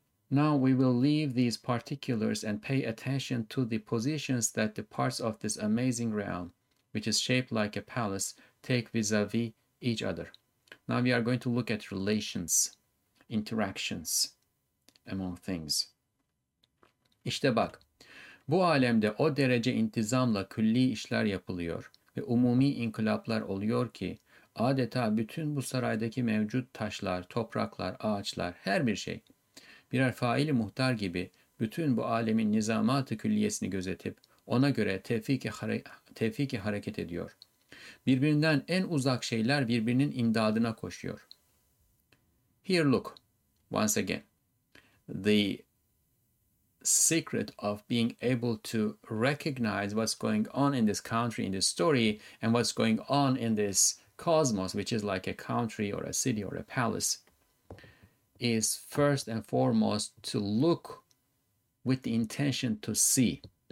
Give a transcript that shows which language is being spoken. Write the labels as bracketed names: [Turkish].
[English] Now we will leave these particulars and pay attention to the positions that the parts of this amazing realm, which is shaped like a palace, take vis-a-vis each other. Now we are going to look at relations, interactions among things. [Turkish] İşte bak, bu alemde o derece intizamla külli işler yapılıyor ve umumi inkılaplar oluyor ki, adeta bütün bu saraydaki mevcut taşlar, topraklar, ağaçlar, her bir şey, birer faili muhtar gibi bütün bu alemin nizamat-ı külliyesini gözetip ona göre tevfik-i hareket ediyor. Birbirinden en uzak şeyler birbirinin imdadına koşuyor. [English] Here look, once again, the secret of being able to recognize what's going on in this country, in this story, and what's going on in this cosmos, which is like a country or a city or a palace, is first and foremost to look with the intention to see.